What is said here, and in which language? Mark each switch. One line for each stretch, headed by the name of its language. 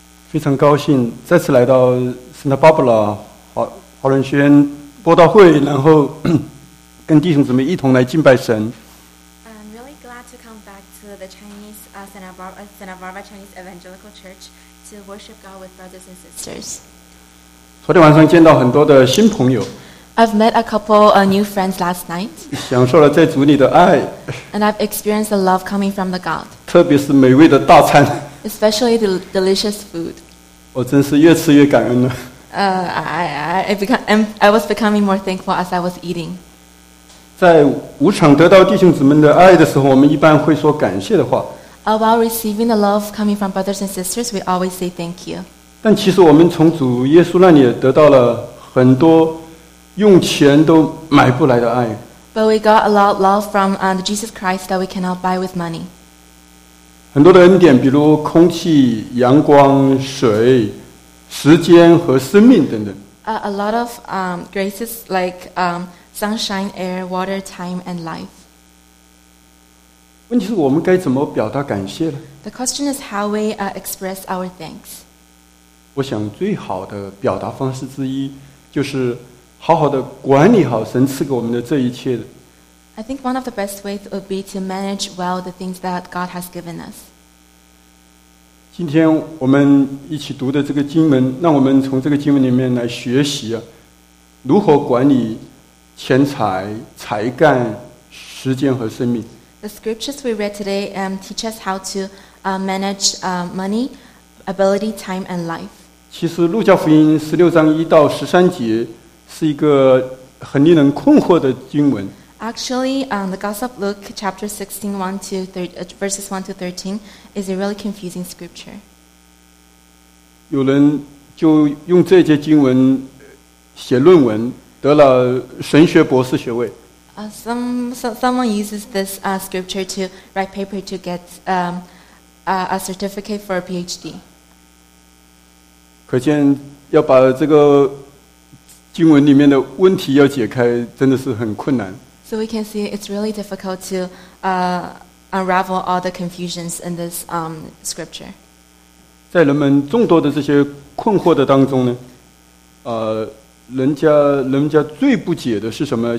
Chinese: 非常高兴再次来到 Santa Barbara 华伦学院播道会，然后跟弟兄姊妹一同来敬拜神。
English: I'm really glad to come back to the Chinese Santa Barbara Chinese Evangelical Church to worship God with brothers and sisters.
Chinese: 昨天晚上见到很多的新朋友。
English: I've met a couple of new friends last night.
Chinese: 享受了在主里的爱。
English: And I've experienced the love coming from the God.
Chinese: 特别是美味的大餐。
English: Especially the delicious food.
Chinese: 我真是越吃越感恩了。
English: I was becoming more thankful as I was eating.
Chinese: 在无偿得到弟兄姊妹的爱的时候，我们一般会说感谢的话。
English: While receiving the love coming from brothers and sisters, we always say thank you.
Chinese: 但其实我们从主耶稣那里得到了很多用钱都买不来的爱。
English: But we got a lot of love from Jesus Christ that we cannot buy with money.
Chinese: 很多的恩典，比如空气、阳光、水、时间和生命等等。
English: A lot of graces like sunshine, air, water, time, and life.
Chinese: 问题是我们该怎么表达感谢呢？
English: The question is how we express our thanks.
Chinese: 我想最好的表达方式之一就是好好的管理好神赐给我们的这一切。
English: I think one of the best ways would be to manage well the things that God has given us.
Chinese: 今天我们一起读的这个经文，让我们从这个经文里面来学习如何管理钱财、才干、时间和生命。
English: The scriptures we read today teach us how to manage money, ability, time, and life.
Chinese: 其实路加福音十六章一到十三节是一个很令人困惑的经文。
English: Actually, the Gospel of Luke, chapter 16, 1 to 13, verses 1 to 13, is a really confusing scripture.
Chinese: 有人就用这节经文写论文，得了神学博士学位。
English: Someone uses this scripture to write paper to get a certificate for a PhD.
Chinese: 可见要把这个经文里面的问题要解开真的是很困难。
English: So we can see it's really difficult to unravel all the confusions in this scripture.
Chinese: 在人们众多的这些困惑的当中呢，人家最不解的是什么？